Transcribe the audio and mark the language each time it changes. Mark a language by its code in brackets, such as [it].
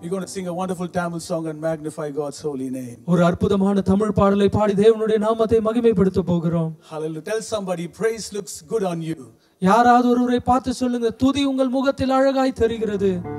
[en] We're going to sing a wonderful Tamil song and magnify God's holy name. [ta] ஒரு அற்புதமான தமிழ் பாடலை பாடி தேவனுடைய நாமத்தை மகிமைப்படுத்த போகிறோம். Hallelujah. [en] Tell somebody praise looks good on you. [ta] யாராவது ஒருவரை பார்த்து சொல்லுங்க துதி உங்கள் முகத்தில் அழகாய் தெரிகிறது.